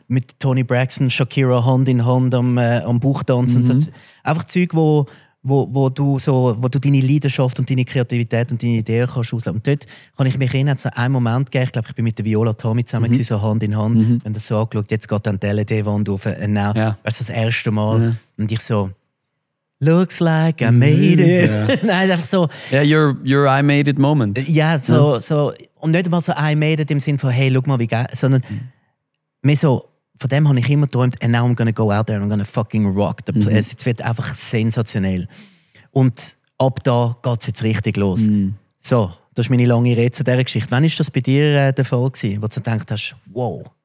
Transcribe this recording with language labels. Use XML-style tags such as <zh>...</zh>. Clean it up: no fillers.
<de>Mit Toni Braxton, Shakira Hand in Hand am Bauchtanzen. So. Einfach Zeug, wo du deine Leidenschaft und deine Kreativität und deine Ideen kannst ausleben. Und dort kann ich mich erinnern, so einen Moment gegeben, ich glaube, ich bin mit der Viola Tommy zusammen so Hand in Hand. Wenn das so angeschaut, jetzt geht dann die LED-Wand auf. Also das erste Mal.</de> <en>Yeah.</en> <de>Und ich so,</de> <en>looks like I made it. Yeah.</en> <de>Nein, einfach so.</de> <en>Yeah, your I made it moment.</en> <de>Ja, so. Und nicht mal so I made it im Sinn von, hey, schau mal, wie geil. Sondern mehr so, von dem habe ich immer geträumt,</de> <en>and now I'm gonna go out there and I'm gonna fucking rock the place.</en> <de>Jetzt wird einfach sensationell. Und ab da geht es jetzt richtig los. So, das ist meine lange Rede zu dieser Geschichte. Wann war das bei dir der Fall gewesen, wo du gedacht hast, wow?</de>